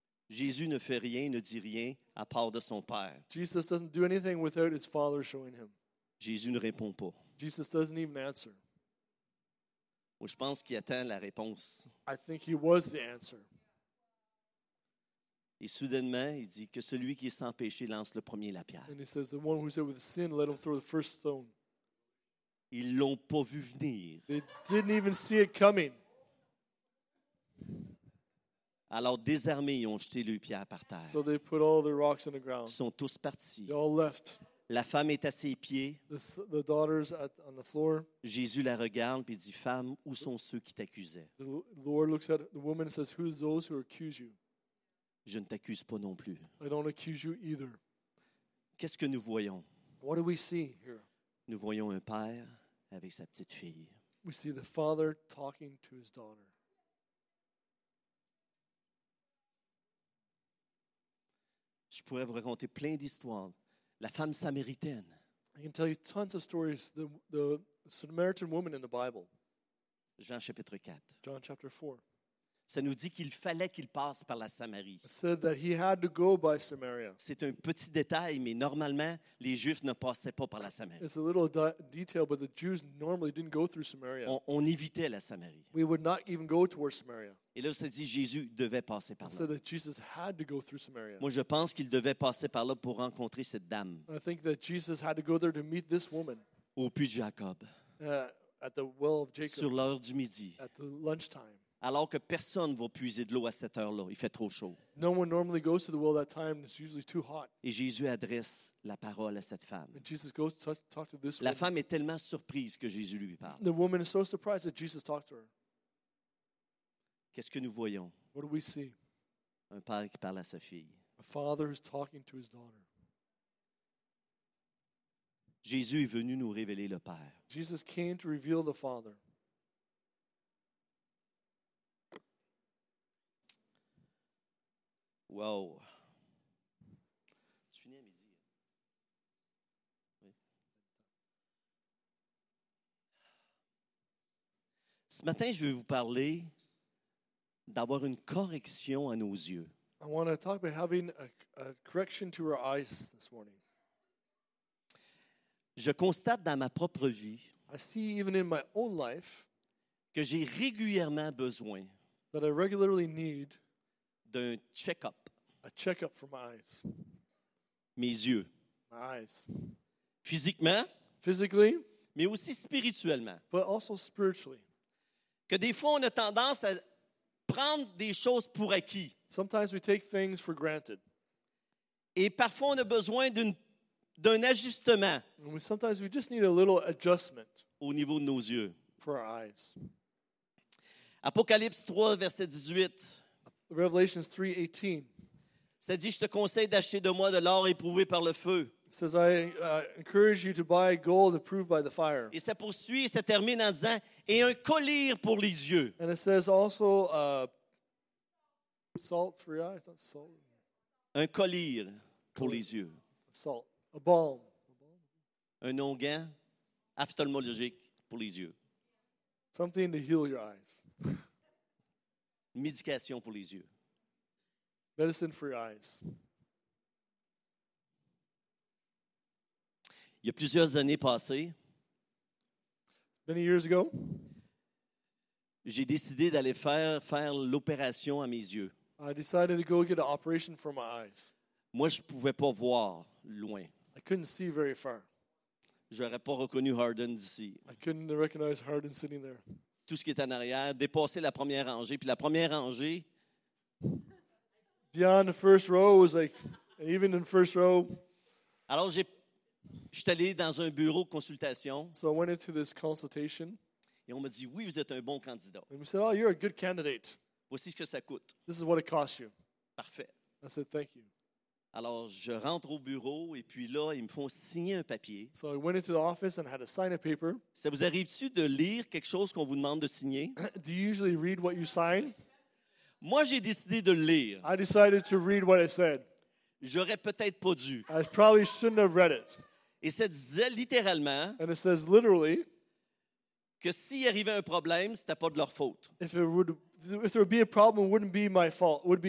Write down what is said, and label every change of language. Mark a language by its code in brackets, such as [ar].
[fr] Jésus ne fait rien, ne dit rien à part de son père. [en] Jesus doesn't do anything without his father showing him. [fr] Jésus ne répond pas. [en] Jesus doesn't even answer. [fr] Où je pense qu'il attend la réponse. [en] I think he was the answer. [fr] Et soudainement, il dit que celui qui est sans péché lance le premier la pierre. [en] And he says the one who is with sin let him throw the first stone. [fr] Ils l'ont pas vu venir. [en] They didn't even see it coming. [fr] Alors désarmés, ils ont jeté le pierre par terre. [en] So they put all the rocks in the ground. [fr] Ils sont tous partis. [en] They all left. [fr] La femme est à ses pieds. [en] The daughter's on the floor. [fr] Jésus la regarde puis dit, femme, où sont ceux qui t'accusaient? [en] The Lord looks at the woman and says, who's those who accuse you? [fr] Je ne t'accuse pas non plus. [en] I don't accuse you either. [fr] Qu'est-ce que nous voyons? [en] What do we see here? [fr] Nous voyons un père avec sa petite fille. [en] We see the father talking to his daughter. [fr] Je pourrais vous raconter plein d'histoires. La femme samaritaine. [en] I can tell you tons of stories. The Samaritan woman in the Bible. [fr] Jean chapitre 4. [en] John chapter 4. [fr] Ça nous dit qu'il fallait qu'il passe par la Samarie. [en] It said that he had to go by Samaria. [fr] C'est un petit détail, mais normalement, les Juifs ne passaient pas par la Samarie. [en] It's a little detail, but the Jews normally didn't go through Samaria. [fr] On évitait la Samarie. [en] We would not even go towards Samaria. [fr] Et là, ça dit Jésus devait passer par là. [en] It said that Jesus had to go through Samaria. [fr] Moi, je pense qu'il devait passer par là pour rencontrer cette dame. [en] I think that Jesus had to go there to meet this woman. [fr] Au puits de Jacob. [en] At the well of Jacob. [fr] Sur l'heure du midi. [en] At the lunchtime. [fr] Alors que personne ne va puiser de l'eau à cette heure-là, il fait trop chaud. [en] No one normally goes to the well that time, it's usually too hot. [fr] Et Jésus adresse la parole à cette femme. [en] And Jesus goes to talk to this woman. [fr] La femme est tellement surprise que Jésus lui parle. [en] The woman is so surprised that Jesus talked to her. [fr] Qu'est-ce que nous voyons? [en] What do we see? [fr] Un père qui parle à sa fille. [en] A father who's talking to his daughter. [fr] Jésus est venu nous révéler le Père. [en] Jesus came to reveal the Father. Wow. [fr] Ce matin, je vais vous parler d'avoir une correction à nos yeux. [en] I want to talk about having a correction to our eyes this morning. [fr] Je constate dans ma propre vie [en] I see even in my own life [fr] que j'ai régulièrement besoin [en] that I regularly need [fr] d'un check-up. [en] A check-up for my eyes. [fr] Mes yeux. [en] My eyes. [fr] Physiquement. [en] Physically. [fr] Mais aussi spirituellement. [en] But also spiritually. [fr] Que des fois, on a tendance à prendre des choses pour acquis. [en] Sometimes we take things for granted. [fr] Et parfois, on a besoin d'un ajustement. [en] And sometimes we just need a little adjustment. [fr] Au niveau de nos yeux. [en] For our eyes. [fr] Apocalypse 3, verset 18. [en] Revelations 3:18. [fr] Ça dit, je te conseille d'acheter de moi de l'or éprouvé par le feu. [en] Says I encourage you to buy gold approved by the fire. [fr] Et ça poursuit et ça termine en disant et un collier pour les yeux. [en] And it says also salt for your eyes. That's salt. [fr] Un collier pour les yeux. [en] Salt. A balm. [fr] Un onguent ophtalmologique pour les yeux. [en] Something to heal your eyes. [fr] Médication pour les yeux. [en] Medicine for your eyes. [fr] Il y a plusieurs années passées, [en] many years ago, [fr] j'ai décidé d'aller faire l'opération à mes yeux. [en] I decided to go get an operation for my eyes. [fr] Moi, je ne pouvais pas voir loin. [en] I couldn't see very far. [fr] Je n'aurais pas reconnu Harden d'ici. [en] I couldn't recognize Harden sitting there. [fr] Tout ce qui est en arrière, dépasser la première rangée. Puis la première rangée, [en] beyond the first row, was like, and even in the first row, [fr] alors j'ai je suis allé dans un bureau de consultation. [en] So I went into this consultation. [fr] Et on m'a dit, oui, vous êtes un bon candidat. [en] And we said, oh, you're a good candidate. [fr] Voici ce que ça coûte. [en] This is what it costs you. [fr] Parfait. [en] I said, thank you. [fr] Alors, je rentre au bureau et puis là, ils me font signer un papier. [en] So I went into the office and had to sign a paper. [fr] Ça vous arrive-tu de lire quelque chose qu'on vous demande de signer? [en] Do you usually read what you sign? [fr] Moi, j'ai décidé de lire. [en] I decided to read what it said. [fr] J'aurais peut-être pas dû. [en] I probably shouldn't have read it. [fr] Et ça disait littéralement [en] and it says literally, [fr] que s'il arrivait un problème, ce n'était pas de leur faute. [en] If there would be a problem, it wouldn't be my fault.